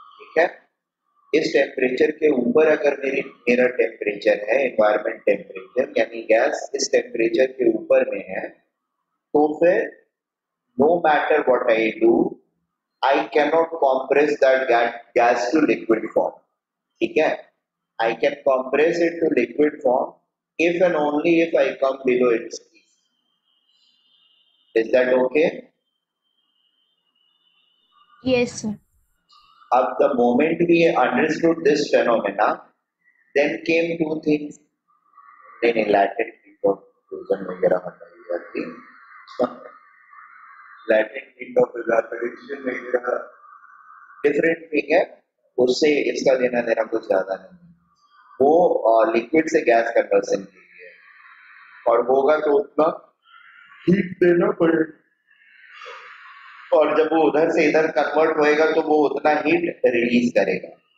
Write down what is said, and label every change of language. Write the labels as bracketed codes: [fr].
[hi] ठीक है, इस टेम्परेचर के ऊपर अगर मेरा टेम्परेचर है, एनवायरमेंट टेम्परेचर, यानी गैस इस टेम्परेचर के ऊपर में है, तो फिर [en] No matter what I do I cannot compress that gas to liquid form. [hi] ठीक है, [en] I can compress it to liquid form if and only if I come below its peak. Is that okay? Yes, sir. Up the moment we understood this phenomena, then came two things. Then latent heat of fusion वगैरह [hi] होता ही है थी. [en] Latent heat of evaporation वगैरह different thing है. [hi] उससे इसका लेना देना कुछ ज्यादा नहीं, वो लिक्विड से गैस कन्वर्सन के लिए है और होगा तो उतना हीट देना पड़ेगा और जब वो उधर से इधर कन्वर्ट होएगा तो वो उतना हीट रिलीज करेगा.